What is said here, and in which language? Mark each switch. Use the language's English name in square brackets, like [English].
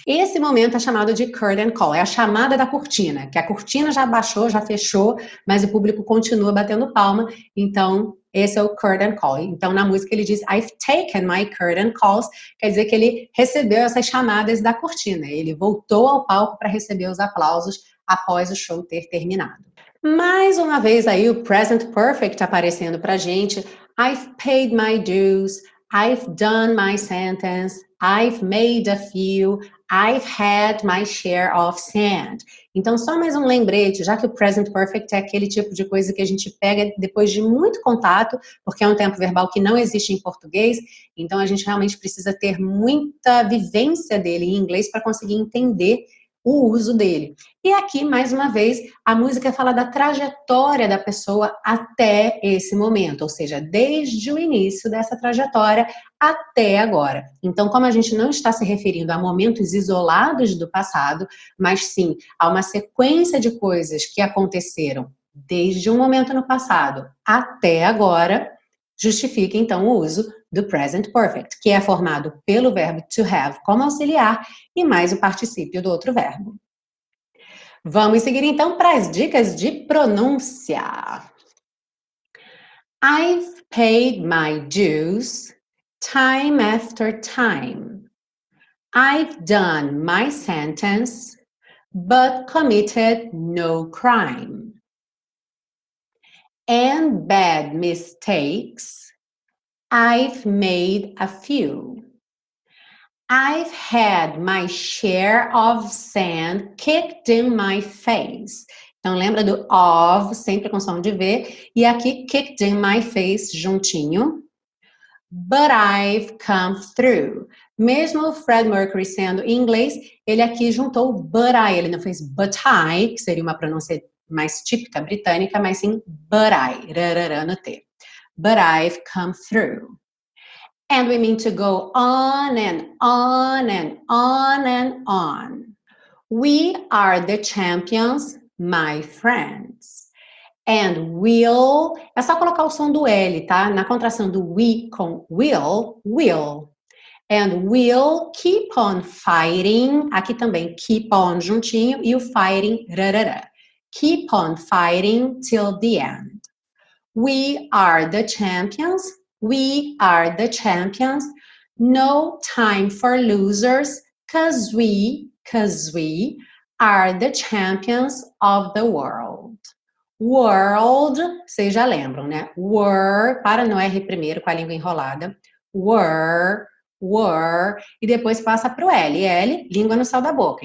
[Portuguese] Esse momento é chamado de curtain call, é a chamada da cortina, que a cortina já baixou, já fechou, mas o público continua batendo palma, então esse é o curtain call. Então, na música ele diz, [English] I've taken my curtain calls, [Portuguese] quer dizer que ele recebeu essas chamadas da cortina, ele voltou ao palco para receber os aplausos após o show ter terminado. Mais uma vez aí o present perfect aparecendo para a gente, [English] I've paid my dues, I've done my sentence, I've made a few, I've had my share of sand. [Portuguese] Então, só mais um lembrete, já que o present perfect é aquele tipo de coisa que a gente pega depois de muito contato, porque é um tempo verbal que não existe em português, então a gente realmente precisa ter muita vivência dele em inglês para conseguir entender o uso dele. E aqui, mais uma vez, a música fala da trajetória da pessoa até esse momento, ou seja, desde o início dessa trajetória até agora. Então, como a gente não está se referindo a momentos isolados do passado, mas sim a uma sequência de coisas que aconteceram desde um momento no passado até agora, justifica, então, o uso do present perfect, que é formado pelo verbo to have como auxiliar e mais o particípio do outro verbo. Vamos seguir, então, para as dicas de pronúncia. [English] I've paid my dues time after time. I've done my sentence, but committed no crime. And bad mistakes, I've made a few. I've had my share of sand kicked in my face. [Portuguese] Então lembra do of, sempre com som de V, e aqui [English] kicked in my face [Portuguese] juntinho. [English] But I've come through. [Portuguese] Mesmo o Fred Mercury sendo em inglês, ele aqui juntou but I, ele não fez but I, que seria uma pronúncia mais típica britânica, mas sim but I, rarara no T. [English] But I've come through. And we mean to go on and on and on and on. We are the champions, my friends. And we'll... [Portuguese] É só colocar o som do L, tá? Na contração do we com will, will. [English] And we'll keep on fighting. [Portuguese] Aqui também, [English] keep on [Portuguese] juntinho. E o fighting, rarara. [English] Keep on fighting till the end. We are the champions, we are the champions. No time for losers, cause we are the champions of the world. [Portuguese] World, vocês já lembram, né? Were, para no R primeiro com a língua enrolada. Were, e depois passa pro L, L, língua no céu da boca.